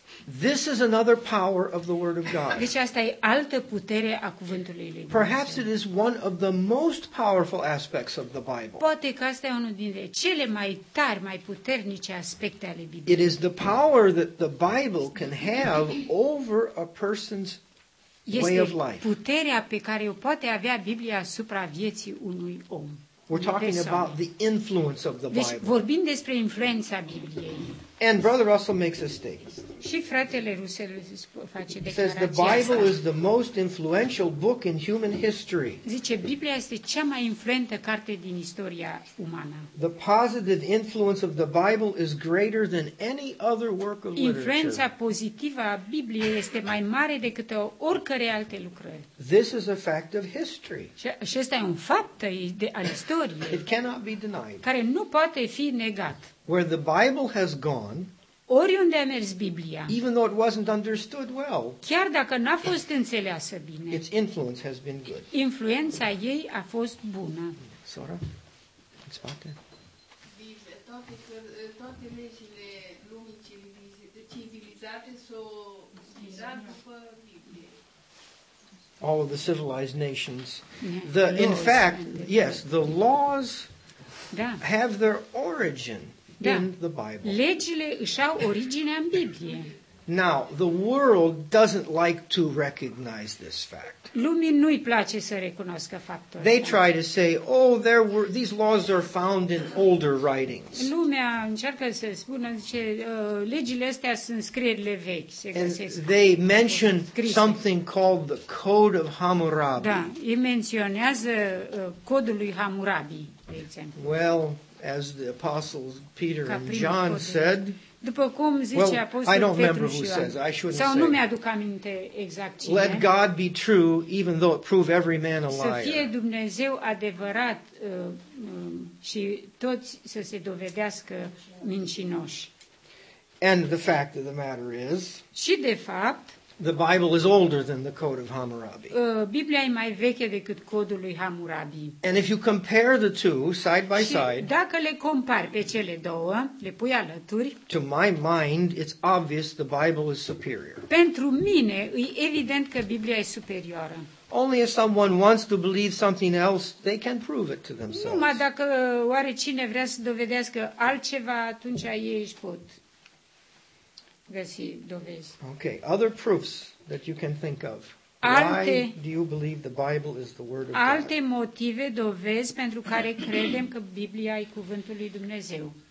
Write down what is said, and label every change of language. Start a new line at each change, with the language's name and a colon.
English: This is another power of the Word of God.
Romanian: Deci asta e altă putere a cuvântului lui Dumnezeu.
English: Perhaps it is one of the most powerful aspects of the Bible.
Romanian: Poate că asta e unul dintre cele mai tari, mai puternice aspecte ale Bibliei.
English: It is the power that the Bible can have over a person's way of life.
Romanian: Este puterea pe care o poate avea Biblia asupra vieții unui om.
English: We're talking about the influence of the Bible.
Romanian: Deci vorbim despre influența Bibliei.
English: And Brother Russell makes a statement.
Romanian: Și fratele Russell face declarația asta.
English: Says the Bible is the most influential book in human history.
Romanian: Zice Biblia este cea mai influentă carte din istoria umană.
English: The positive influence of the Bible is greater than any other work of literature.
Romanian: Influența pozitivă a Bibliei este mai mare decât oricare alte lucrări.
English: This is a fact of history.
Romanian: Și asta e un fapt al istoriei.
English: It cannot be denied.
Romanian: Care nu poate fi negat.
English: Where the Bible has gone,
Romanian: oriunde a mers Biblia,
English: even though it wasn't understood well,
Romanian: chiar dacă n-a fost înțeleasă bine,
English: its influence has been good.
Romanian: Influența ei a fost bună. Sora, în spate. Toate legile lumii civilizate s-au dat după Biblie.
English: All of the civilized nations. In fact, yes, the laws have their origin.
Romanian: Da.
English: In the Bible.
Romanian: Legile își au originea în Biblie.
English: Now, the world doesn't like to recognize this fact.
Romanian: Lumii nu-i place să recunoască faptul.
English: They try to say, "Oh, these laws are found in older writings."
Romanian: Lumea încearcă să spună, zice, legile astea sunt scrierile vechi, se găsesc.
English: They mention something called the Code of Hammurabi.
Romanian: Da, ei menționează codul lui Hammurabi, de exemplu.
English: Well, as the apostles Peter and John said,
Romanian: după cum zice
English: well,
Romanian: apostolul
English: I don't remember
Romanian: Petru
English: who says, I shouldn't
Romanian: sau
English: say.
Romanian: Nu mi-aduc aminte exact cine.
English: Let God be true, even though it prove every man a liar.
Romanian: Să fie Dumnezeu adevărat și toți să se dovedească mincinoși.
English: And the fact of the matter is,
Romanian: și de fapt,
English: The Bible is older than the Code of Hammurabi.
Romanian: Biblia e mai veche decât codul lui Hammurabi.
English: And if you compare the two side by side,
Romanian: dacă le compari pe cele două, le pui alături,
English: to my mind, it's obvious the Bible is superior.
Romanian: Pentru mine, e evident că Biblia e superioară.
English: Only if someone wants to believe something else, they can prove it to themselves.
Romanian: Numai dacă oarecine vrea să dovedească altceva, atunci ei își pot găsi dovezi.
English: Okay, other proofs that you can think of.
Romanian: Alte,
English: why do you believe the Bible is the word of
Romanian: alte Alte motive, dovezi pentru care credem că Biblia e cuvântul lui Dumnezeu.